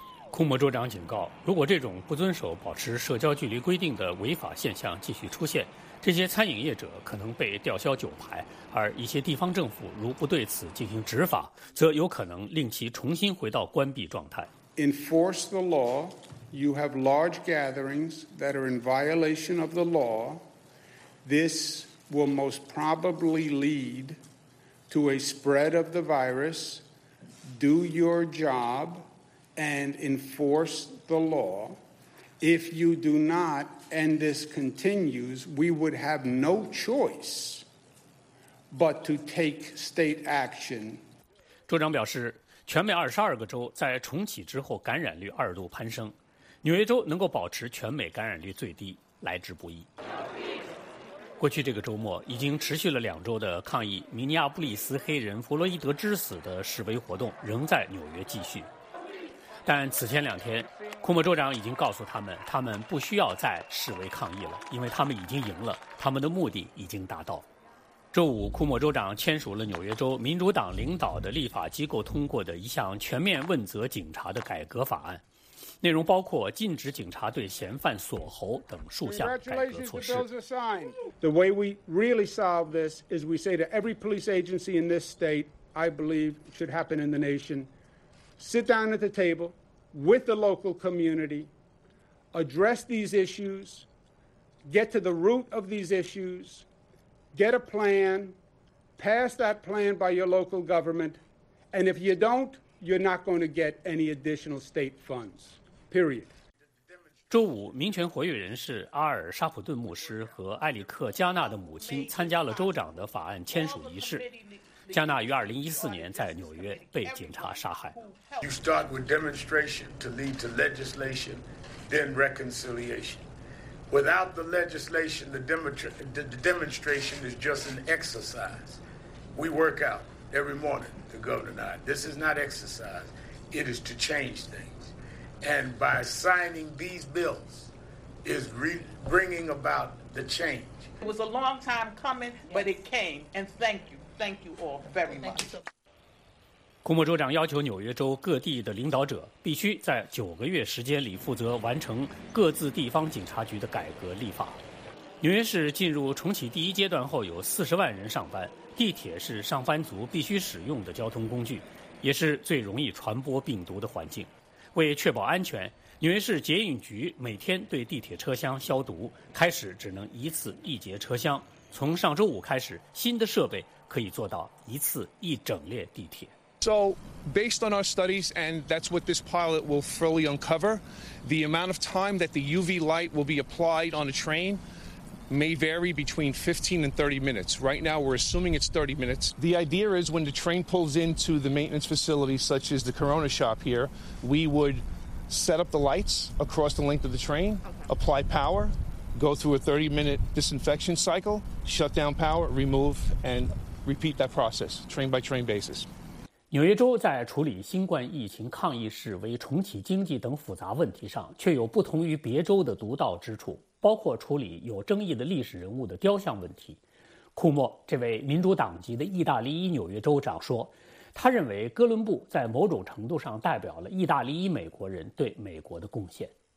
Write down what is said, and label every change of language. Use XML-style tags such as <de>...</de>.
<zh>库莫州长警告，如果这种不遵守保持社交距离规定的违法现象继续出现，这些餐饮业者可能被吊销酒牌，而一些地方政府如不对此进行执法，则有可能令其重新回到关闭状态。</zh> <en>Enforce the law. You have large gatherings that are in violation of the law. This will most probably lead to a spread of the virus. Do your job. And enforce the law. If you do not, and this continues, we would have no choice but to take state action.</en> <zh>州长表示，全美22个州在重启之后感染率2度攀升，纽约州能够保持全美感染率最低，来之不易。过去这个周末，已经持续了2周的抗议明尼阿波利斯黑人弗洛伊德之死的示威活动仍在纽约继续。但此前2天，库莫州长已经告诉他们，他们不需要再示威抗议了，因为他们已经赢了，他们的目的已经达到。周五，库莫州长签署了纽约州民主党领导的立法机构通过的一项全面问责警察的改革法案，内容包括禁止警察对嫌犯锁喉等数项改革措施。</zh> <en>The way we really solve this is we say to every police agency in this state, I believe should happen in the nation. Sit down at the table with the local community, address these issues, get to the root of these issues, get a plan, pass that plan by your local government, and if you don't, you're not going to get any additional state funds, period.</en> <zh>周五，民权活跃人士阿尔·沙普顿牧师和埃里克·加纳的母亲参加了州长的法案签署仪式。加纳于2014年在纽约被警察杀害。</zh> <en>You start with demonstration to lead to legislation, then reconciliation. Without the legislation, the demonstration is just an exercise. We work out every morning, the governor and I. This is not exercise. It is to change things. And by signing these bills, is bringing about the change. It was a long time coming, but it came. And thank you all very much.</en> <zh>古默州长要求纽约州各地的领导者必须在9个月时间里负责完成各自地方警察局的改革立法。纽约市进入重启第一阶段后，有40万人上班，地铁是上班族必须使用的交通工具，也是最容易传播病毒的环境。为确保安全，纽约市捷运局每天对地铁车厢消毒，开始只能一次一节车厢。从上周五开始，新的设备可以做到一次一整列地铁。</zh> <en>So, based on our studies, and that's what this pilot will fully uncover, the amount of time that the UV light will be applied on a train may vary between 15 and 30 minutes. Right now, we're assuming it's 30 minutes. The idea is when the train pulls into the maintenance facility, such as the Corona shop here, we would set up the lights across the length of the train, apply power, go through a 30-minute disinfection cycle, shut down power, remove, and repeat that process, train by train basis.</en> <zh>纽约州在处理新冠疫情抗疫示威、重启经济等复杂问题上，却有不同于别州的独到之处，包括处理有争议的历史人物的雕像问题。库莫，这位民主党籍的意大利裔纽约州长说，他认为哥伦布在某种程度上代表了意大利裔美国人对美国的贡献。</zh>